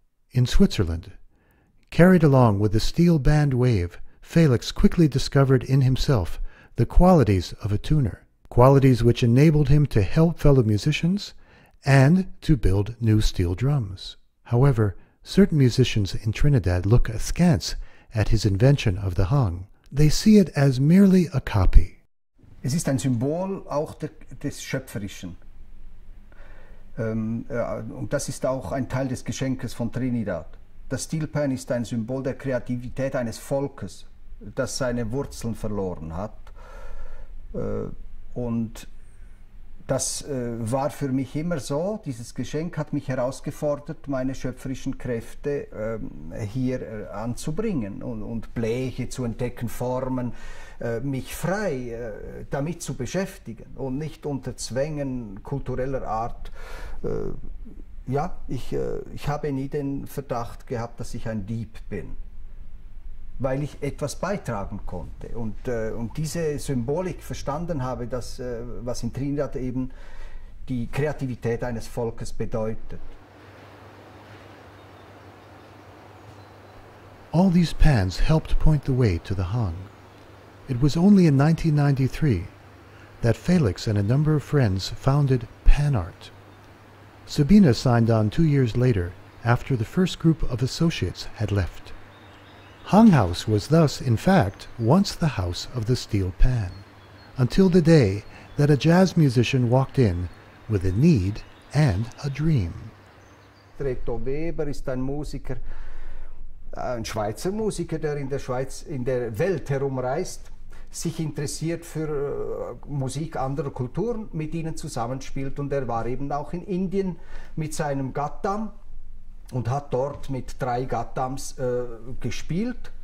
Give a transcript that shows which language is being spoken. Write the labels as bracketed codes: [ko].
[en] In Switzerland, carried along with the steel band wave, Felix quickly discovered in himself the qualities of a tuner, qualities which enabled him to help fellow musicians and to build new steel drums. However, certain musicians in Trinidad look askance at his invention of the Hang. They see it as merely a copy. [de] Es ist ein Symbol auch des Schöpferischen. Und das ist auch ein Teil des Geschenkes von Trinidad. Das Steel Pan ist ein Symbol der Kreativität eines Volkes, das seine Wurzeln verloren hat. Und das war für mich immer so. Dieses Geschenk hat mich herausgefordert, meine schöpferischen Kräfte hier anzubringen und Bleche zu entdecken, Formen, mich frei damit zu beschäftigen und nicht unter Zwängen kultureller Art. Ja, ich habe nie den Verdacht gehabt, dass ich ein Dieb bin, weil ich etwas beitragen konnte und diese Symbolik verstanden habe, dass, was in Trinidad eben die Kreativität eines Volkes bedeutet. [en] All these pans helped point the way to the Hang. It was only in 1993 that Felix and a number of friends founded PanArt. Sabina signed on 2 years later, after the first group of associates had left. Hang House was thus, in fact, once the house of the steel pan, until the day that a jazz musician walked in with a need and a dream. [de] Reto Weber ist ein Musiker, ein Schweizer Musiker, der in der Schweiz, in der Welt herumreist, sich interessiert für Musik anderer Kulturen, mit ihnen zusammenspielt. Und er war eben auch in Indien mit seinem Gattam und hat dort mit drei Gattams gespielt.